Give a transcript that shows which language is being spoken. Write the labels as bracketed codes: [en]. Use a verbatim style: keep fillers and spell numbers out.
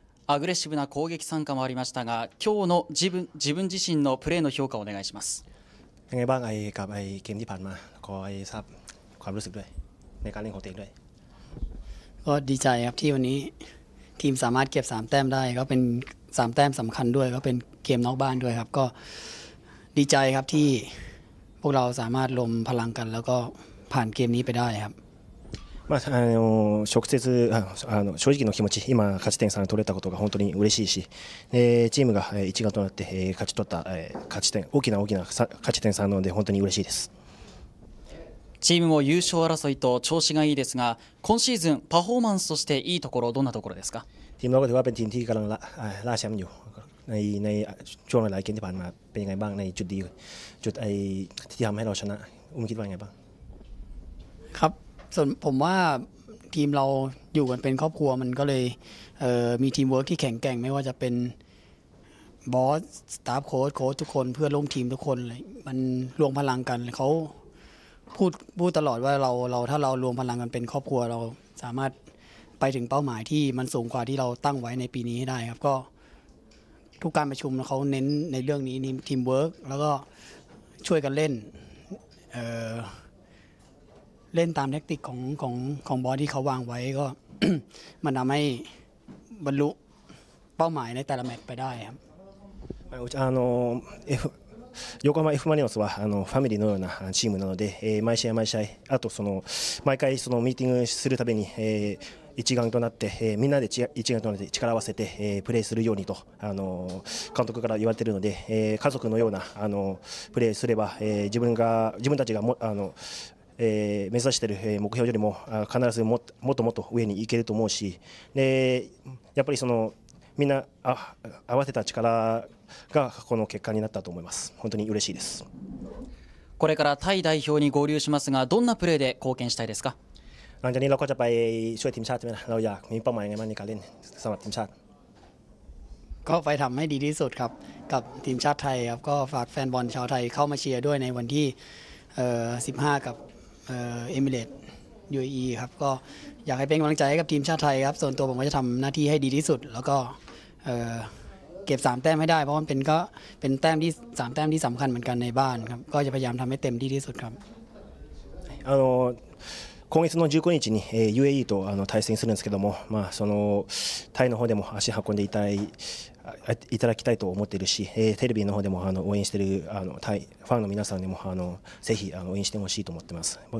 [ja] アグレッシブな攻撃参加もありましたが、今日の自分、自分自身のプレーの評価をお願いします。 [th] ยังไงบ้างไอ้กับไอ้เกมที่ผ่านมาขอไอ้ทราบความรู้สึกด้วยในการเล่นของตัวเองด้วย ก็ดีใจครับที่วันนี้ทีมสามารถเก็บสามแต้มได้ก็เป็นสามแต้มสำคัญด้วยก็เป็นเกมนอกบ้านด้วยครับก็ดีใจครับที่พวกเราสามารถรวมพลังกันแล้วก็ผ่านเกมนี้ไปได้ครับ [ja] まあ、あの直接あの正直の気持ち今勝ち点さん取れたことが本当に嬉しいし、えー、チームが一丸となって、えー、勝ち取った、えー、勝ち点大きな大きな勝ち点さんなので本当に嬉しいです。チームも優勝争いと調子がいいですが、今シーズンパフォーマンスとしていいところどんなところですか？ [th] ทีมเราก็ถือว่าเป็นทีมที่กำลังล่าแชมป์อยู่ในในช่วงหลายๆเกมที่ผ่านมาเป็นยังไงบ้างในจุดดีจุดไอที่ทำให้เราชนะอุ้มคิดว่ายังไงบ้าง ครับส่วนผมว่าทีมเราอยู่กันเป็นครอบครัวมันก็เลยเอ่อมีทีมเวิร์คที่แข็งแกร่งไม่ว่าจะเป็นบอสสตาฟโค้ชโค้ชทุกคนเพื่อนร่วมทีมทุกคนเลยมันรวมพลังกันเขาพูดพูดตลอดว่าเราเราถ้าเรารวมพลังกันเป็นครอบครัวเราสามารถไปถึงเป้าหมายที่มันสูงกว่าที่เราตั้งไว้ในปีนี้ให้ได้ครับก็ ทุกการประชุมเขาเน้นในเรื่องนี้ทีมเวิร์คแล้วก็ช่วยกันเล่นเอ่อเล่นตามแทคติกของของของบอสที่เขาวางไว้ก็ มันทำให้บรรลุเป้าหมายในแต่ละแมตช์ไปได้ครับ [ja] あの横浜 F マリノスはあのファミリーのようなチームなので、えー、毎試合毎試合あとその毎回そのミーティングするたびに、えー、一丸となって、えー、みんなで一丸となって力を合わせて、えー、プレーするようにとあの監督から言われているので、えー、家族のようなあのプレーすれば、えー、自分が自分たちがもあのえー、目指している目標よりも必ず も, もっともっと上に行けると思うしでやっぱりそのみんなあ合わせた力がこの結果になったと思います。本当に嬉しいです。これからタイ代表に合流しますがどんなプレーで貢献したいですか？ [th] หลังจากนี้เราก็จะไปช่วยทีมชาติใช่ไหมเราอยากมีเป้าหมายไงบ้างในการเล่นสำหรับทีมชาติ ก็ไปทำให้ดีที่สุดครับกับทีมชาติไทยครับก็ฝากแฟนบอลชาวไทยเข้ามาเชียร์ด้วยในวันที่สิบห้ากับเอมิเรตส์ ยู เอ อี ครับก็อยากให้เป็นกำลังใจให้กับทีมชาติไทยครับส่วนตัวผมก็จะทำหน้าที่ให้ดีที่สุดแล้วก็เอ่อเก็บสามแต้มให้ได้เพราะมันเป็นก็เป็นแต้มที่สามแต้มที่สำคัญเหมือนกันในบ้านครับก็จะพยายามทำให้เต็มที่ที่สุดครับ [ja] あの今月のじゅうくにちに ユー エー イー とあの対戦するんですけども、まあ、そのタイの方でも足運んでいたい、いただきたいと思っているし、えー、テレビの方でもあの応援しているあのタイファンの皆さんにもあのぜひあの応援してほしいと思っています。